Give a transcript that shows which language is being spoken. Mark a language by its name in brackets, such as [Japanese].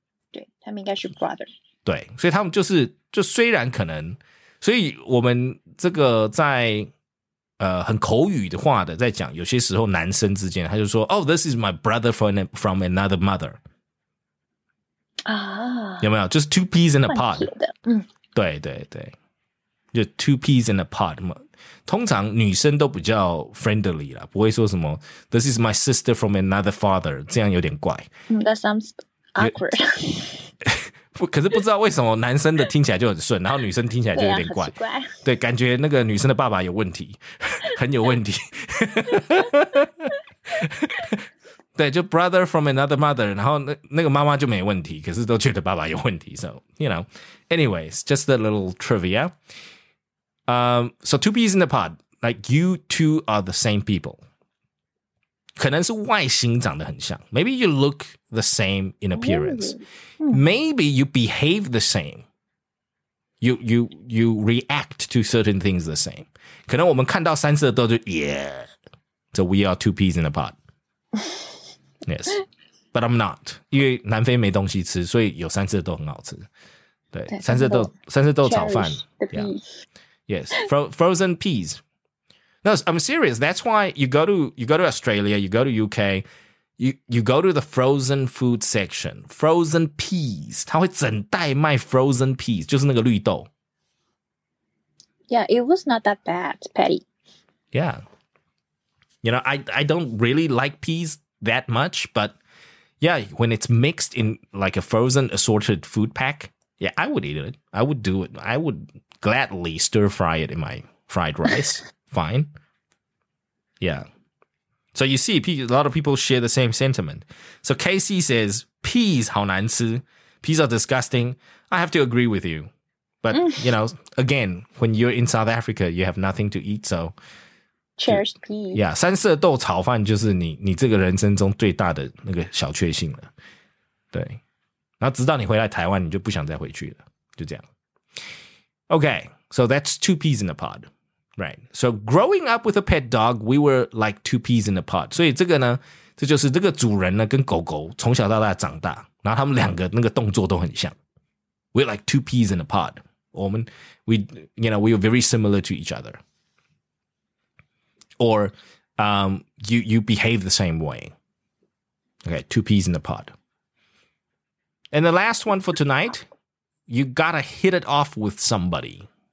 [Chinese] 对，他们应该是 brother。对，所以他们就是，就虽然可能，所以我们这个在很口语的话的在讲，有些时候男生之间他就说 [English] Oh this is my brother from another mother [Chinese] 啊，有没有，就是 [English] two peas in a pod [Chinese] 的，对对对，就 [English] two peas in a pod。 [Chinese] 通常女生都比较 friendly 啦，不会说什么 [English] This is my sister from another father， [Chinese] 这样有点怪。 [English] That soundsAwkward。 [Chinese] 可是不知道为什么男生的听起来就很顺，然后女生听起来就有点怪。对，啊，很奇怪。对，感觉那个女生的爸爸有问题，很有问题。对，就 brother from another mother， 然后 那个妈妈就没问题，可是都觉得爸爸有问题。 [English] So you know anyways just a little trivia。 So two peas in the pod like you two are the same people， [Chinese] 可能是外形长得很像。 [English] Maybe you look the same in appearance. Maybe you behave the same. You react to certain things the same. [Chinese] 可能我们看到三色豆就 Yeah. [English] So we are two peas in a pod. Yes. But I'm not. [Chinese] 因为南非没东西吃，所以有三色豆很好吃。对，三色豆炒饭。 [English] Yeah. Yes. Frozen peas. No, I'm serious. That's why you go to Australia, you go to UK, you go to the frozen food section, frozen peas. [Chinese] 它会整袋卖 [English] frozen peas, [Chinese] 就是那个绿豆。 [English] Yeah, it was not that bad, Patty. Yeah. You know, I don't really like peas that much, but yeah, when it's mixed in like a frozen assorted food pack, yeah, I would eat it. I would do it. I would gladly stir fry it in my fried rice. Fine. Yeah. So you see, a lot of people share the same sentiment. So Casey says, peas [Chinese] 好难吃 [English] peas are disgusting. I have to agree with you. But, you know, again, when you're in South Africa, you have nothing to eat, so... Cherished peas. [Chinese] Yeah, 三色豆炒饭就是你这个人生中最大的那个小确幸了。对。然后直到你回来台湾，你就不想再回去了。就这样。 [English] Okay, so that's two peas in a pod. Right. So growing up with a pet dog, we were like two peas in a pod. [Chinese] 所以这个呢，这就是这个主人呢跟狗狗从小到大长大，然后他们两个那个动作都很像。 [English] We're like two peas in a pod. We are very similar to each other. Or you behave the same way. Okay, two peas in a pod. And the last one for tonight, you gotta hit it off with somebody.